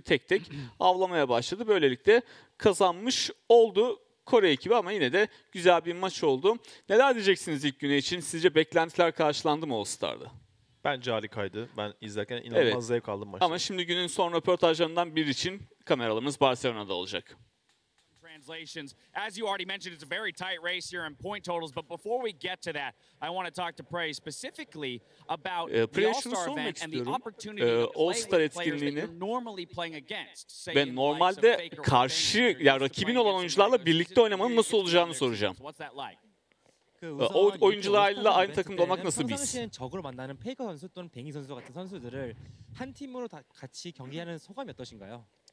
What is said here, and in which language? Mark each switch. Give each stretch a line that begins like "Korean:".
Turkish: Tek tek avlamaya başladı. Böylelikle kazanmış oldu Kore ekibi ama yine de güzel bir maç oldu. Neler diyeceksiniz ilk güne için? Sizce beklentiler karşılandı mı All-Star'da? Bence harikaydı. Ben izlerken inanılmaz evet. zevk aldım maçta. Ama şimdi günün son röportajlarından biri için kameralarımız Barcelona'da olacak.
English: Translations. As you already mentioned, it's a very tight race here in point totals. But before we get to that, I want to talk to Prey specifically about the All-Star event and the opportunity to play with players that you're normally playing against.
Turkish: Ben normalde karşı ya rakibin olan oyuncularla birlikte oynamanın nasıl olacağını soracağım. O oyuncularla aynı takımda olmak nasıl bir his?
Korean: 적으로 만나는 페이커 선수 또는 뱅이 선수 같은 선수들을 한 팀으로 다 같이 경기하는 소감이 어떠신가요?